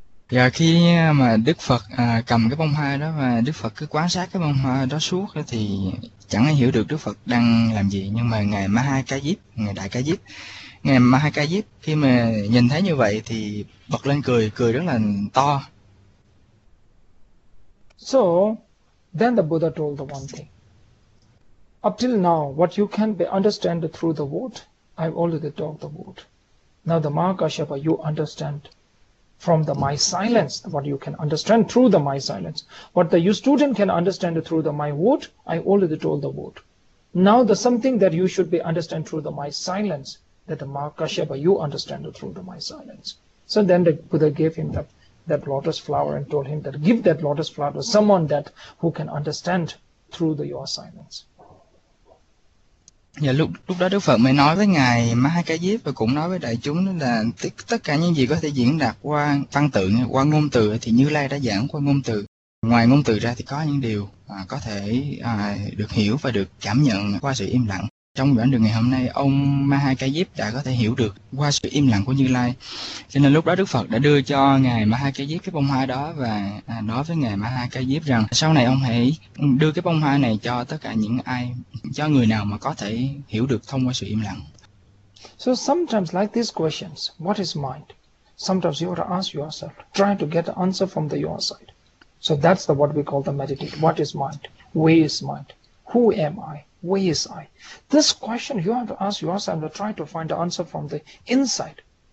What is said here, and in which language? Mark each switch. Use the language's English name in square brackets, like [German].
[Vietnamese] Dạ, khi mà Đức Phật cầm cái bông hoa đó và Đức Phật cứ quan sát cái bông hoa đó suốt thì chẳng ai hiểu được Đức Phật đang làm gì, nhưng mà ngài Maha Ca Diếp, ngài Đại Ca Diếp, ngài Maha Ca Diếp khi mà nhìn thấy như vậy thì bật lên cười, cười rất là to. [English] So, then the Buddha told the one thing. Up till now, what you can be understand through the word, I've already taught the word. Now the Mahakashyapa, you understand from the my silence, what you can understand through the my silence. What the you student can understand through the my word, I already told the word. Now the something that you should be understand through the my silence, that the Mahakashyapa, you understand through the my silence. So then the Buddha gave him that lotus flower and told him that give that lotus flower to someone that who can understand through the your silence. [Vietnamese] Và lúc lúc đó Đức Phật mới nói với ngài Mahakayip và cũng nói với đại chúng là tất cả những gì có thể diễn đạt qua văn tự, qua ngôn từ thì Như Lai đã giảng qua ngôn từ. Ngoài ngôn từ ra thì có những điều có thể được hiểu và được cảm nhận qua sự im lặng. Trong đoạn đường ngày hôm nay, ông Mahakayip đã có thể hiểu được qua sự im lặng của Như Lai. Cho nên lúc đó Đức Phật đã đưa cho ngài Mahakayip cái bông hoa đó và nói với ngài Mahakayip rằng sau này ông hãy đưa cái bông hoa này cho tất cả những ai, cho người nào mà có thể hiểu được thông qua sự im lặng. [English] So sometimes like these questions, what is mind? Sometimes you have to ask yourself, try to get the answer from the your side. So that's the what we call the meditate. What is mind? Where is mind? Who am I? Where is I? This question you have to ask yourself to try to find the answer from the inside.